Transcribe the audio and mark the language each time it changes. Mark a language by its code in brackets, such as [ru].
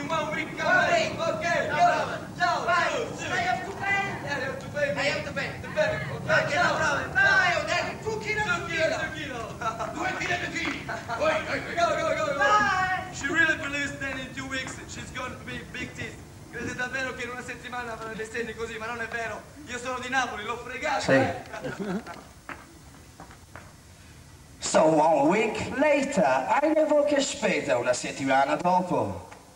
[en] In 1 week coming. Okay, no go. [it] Ciao, [en] bye. Two, two. I have to pay. Yeah, you have to pay me. I have to pay. The bank. Okay, no, [it] ciao. [en] No, no, no. No, no, no. 2 kilos, 2 kilos. 2 kilos, 2 kilos. 2 kilos, 2 kilos. Go, go, go, go. Bye. She really believes that in 2 weeks she's going to be big teeth. [it] Credete davvero che in una settimana avrà dei segni così, ma non è vero. Io sono di Napoli, l'ho fregato. Sì. [en] So 1 week later, [de] eine Woche später, [it] una settimana dopo.